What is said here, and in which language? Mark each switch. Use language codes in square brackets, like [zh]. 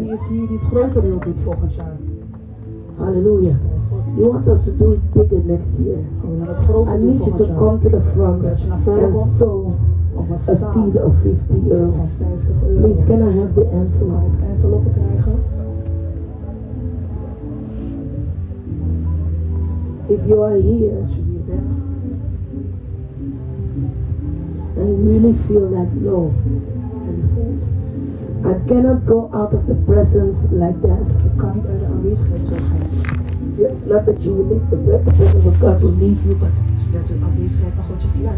[nl] Wie is hier die het groter wil doen volgend jaar? [en] Hallelujah. You want us to do it bigger next year? I need you to come to the front and sow a seed of 50 euro. Please, can I have the envelope? If you are here, [nl] als je hier bent, [en] and you really feel that, no, I cannot go out of the presence like that. [nl] Ik kan niet uit de aanwezigheid zo gaan. [en] Yes, not that you will leave the presence of God will leave you, but that the [nl] aanwezigheid van God je verlaat.